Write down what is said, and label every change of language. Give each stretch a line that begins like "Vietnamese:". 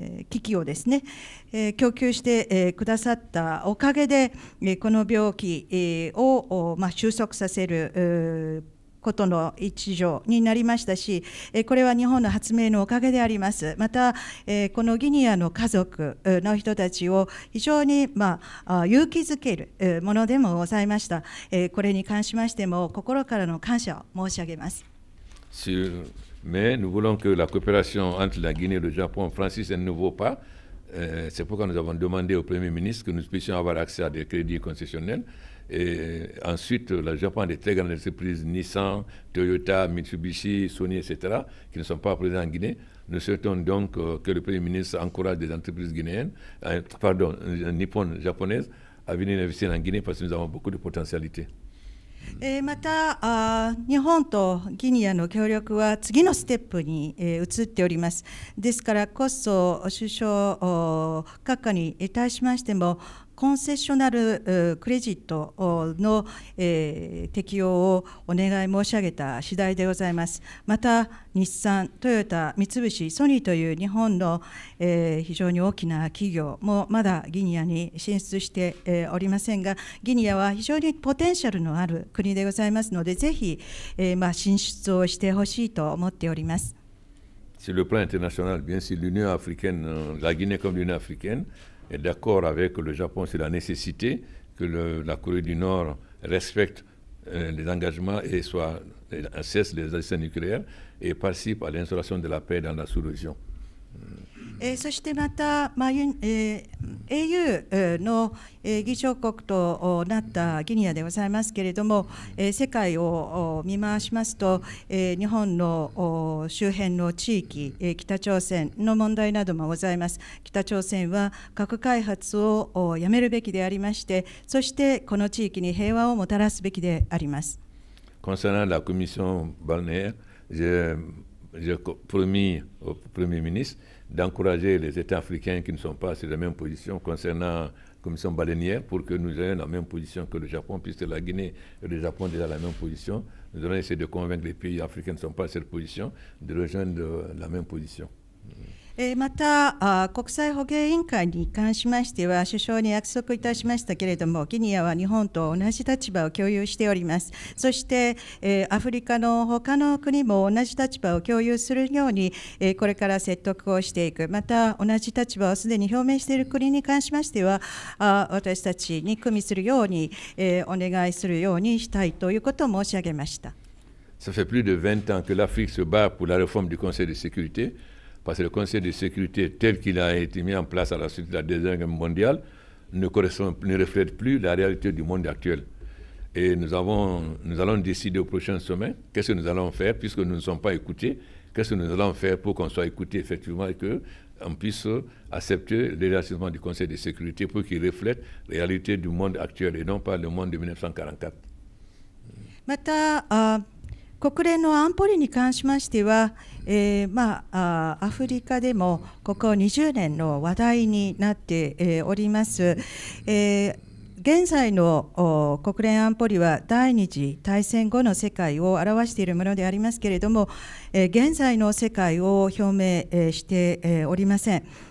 Japanese: 機器をですね、供給してくださったおかげで、この病気を収束させることの一助になりましたし、これは日本の発明のおかげであります。またこのギニアの家族の人たちを非常に勇気づけるものでもございました。これに関しましても心からの感謝を申し上げます。
French: Mais nous voulons que la coopération entre la Guinée et le Japon franchisse un nouveau pas. C'est pourquoi nous avons demandé au Premier ministre que nous puissions avoir accès à des crédits concessionnels. Et ensuite, le Japon a des très grandes entreprises, Nissan, Toyota, Mitsubishi, Sony, etc., qui ne sont pas présents en Guinée. Nous souhaitons donc que le Premier ministre encourage des entreprises guinéennes, nippones japonaises, à venir investir en Guinée parce que nous avons beaucoup de potentialités.
Japanese: うん、また日本とギニアの協力は次のステップに移っております。ですからこそ首相閣下に対しましてもコンセッショナルクレジットの適用をお願い申し上げた次第でございます。また日産、トヨタ、三菱、ソニーという日本の非常に大きな企業もまだギニアに進出しておりませんが、ギニアは非常にポテンシャルのある国でございますので、ぜひ進出をしてほしいと思っております。
French: Sur le plan international, bien sûr, l'Union africaine, la Guinée comme l'Union africaine est d'accord avec le Japon sur la nécessité que la Corée du Nord respecte les engagements et cesse les essais nucléaires et participe à l'instauration de la paix dans la sous-région.
Japanese: そしてまた、AU の議長国となったギニアでございますけれども、世界を見回しますと、日本の周辺の地域、北朝鮮の問題などもございます。北朝鮮は核開発をやめるべきでありまして、そしてこの地域に平和をもたらすべきであります。
French: Concernant la commission balnéaire, j'ai promis au premier ministre d'encourager les États africains qui ne sont pas sur la même position concernant la commission baleinière pour que nous ayons la même position que le Japon, puisque la Guinée et le Japon sont déjà la même position. Nous allons essayer de convaincre les pays africains qui ne sont pas sur cette position de rejoindre la même position.
Japanese: また国際捕鯨委員会に関しましては首相に約束いたしましたけれども、ギニアは日本と同じ立場を共有しております。そしてアフリカの他の国も同じ立場を共有するようにこれから説得をしていく。また同じ立場をすでに表明している国に関しましては私たちに組みするようにお願いするようにしたいということを申し上げました。
French: Ça fait plus de 20 ans que l'Afrique se bat pour la réforme du Conseil de sécurité. Parce que le Conseil de sécurité tel qu'il a été mis en place à la suite de la Deuxième Guerre mondiale ne reflète plus la réalité du monde actuel. Et nous allons décider au prochain sommet qu'est-ce que nous allons faire puisque nous ne sommes pas écoutés, qu'est-ce que nous allons faire pour qu'on soit écoutés effectivement et qu'on puisse accepter l'élargissement du Conseil de sécurité pour qu'il reflète la réalité du monde actuel et non pas le monde de 1944. Mais ça...
Japanese: 国連の安保理に関しましては、アフリカでもここ20年の話題になっております。現在の国連安保理は第二次大戦後の世界を表しているものでありますけれども、現在の世界を表明しておりません。